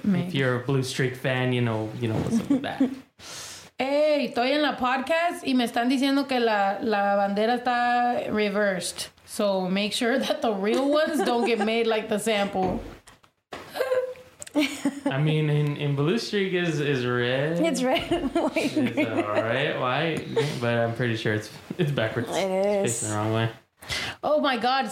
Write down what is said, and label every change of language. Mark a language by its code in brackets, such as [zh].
[en] if you're a Blue Streak fan, you know what's up with that. [es] Hey, estoy en la podcast y me están diciendo que la bandera está reversed. [en] So make sure that the real ones don't get made like the sample. I mean, in Blue Streak is red. It's red, white, it's green. Right, white. But I'm pretty sure it's backwards. It is. It's the wrong way. Oh my God!